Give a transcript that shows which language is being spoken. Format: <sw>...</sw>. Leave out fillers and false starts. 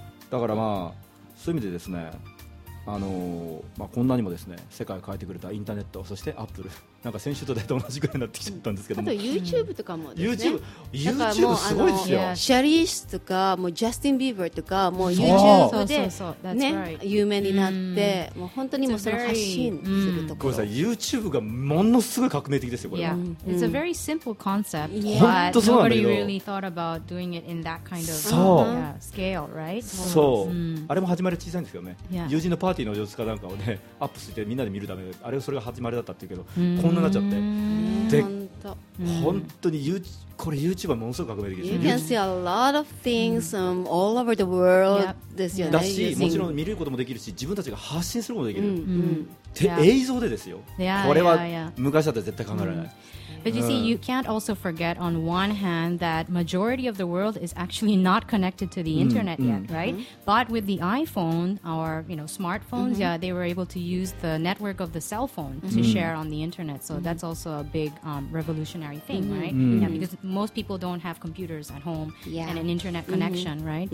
<ja>だから、まあ、そういう意味でですね、こんなにもですね世界を変えてくれたインターネット、そしてアップル、なんか先週と大体同じくらいになってきちゃったんですけども、あと YouTube とかもですね、 YouTube すごいですよ、シャリーシとかもうジャスティン・ビーバーとかもう YouTube で有名になって、もう本当にもうその発信するところ、これさ YouTube がものすごい革命的ですよ、これ。</ja> <en>It's a very simple concept, but nobody really thought about doing it in that kind of scale, right?</en> <ja>そう、あれも始まり小さいんですけどね、友人のパーティーの様子かなんかをねアップしてみんなで見るため、あれそれが始まりだったっていうけど、こんななっちゃって、で本当にこれ YouTube はものすごく革命的ですよ、ね、</ja> <en>You can see a lot of things all over the world</en> <ja>ですよね、だし、もちろん見ることもできるし、自分たちが発信することもできる、映像でですよ、これは昔だったら絶対考えられない、</ja> <en>But you see, you can't also forget on one hand that majority of the world is actually not connected to the internet yet, right? But with the iPhone or, you know, smartphones, they were able to use the network of the cell phone to share on the internet. So that's also a big revolutionary thing, right? Yeah, because most people don't have computers at home and an internet connection, right?</en>